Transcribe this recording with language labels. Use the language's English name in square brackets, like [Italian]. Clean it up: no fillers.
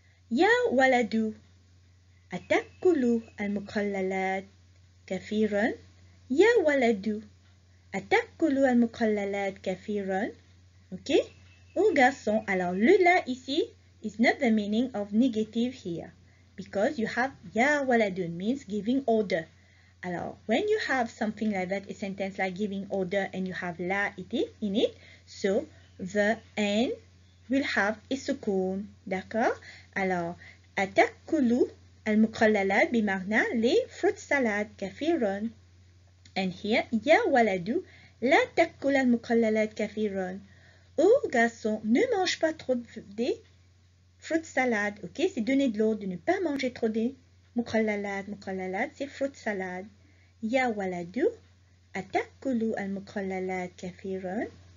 [Arabic] يا ولد أتأكل المخللات كثيرا؟ يا ولد أتأكل المخللات كثيرا؟ [English] Okay? [French] Un garçon. Alors, le la ici [English] is not the meaning of negative here. Because you have [Arabic] يا ولد [English] means giving order. [French] Alors, [English] when you have something like that, a sentence like giving order and you have la in it, so the N will have a سكون. [French] D'accord? Alors, [Arabic] أتأكلوا المخللات بمعنى [French] les fruits salad [Arabic] كثيرا. [English] And here, [Arabic] يا ولد لا تأكل المخللات كثيرا. [French] Oh garçon, ne mange pas trop de fruits salad. Ok, c'est donner de l'ordre de ne pas manger trop de مخللات. مخللات, c'est fruits salad. [Arabic] يا ولد أتأكلوا المخللات كثيرا.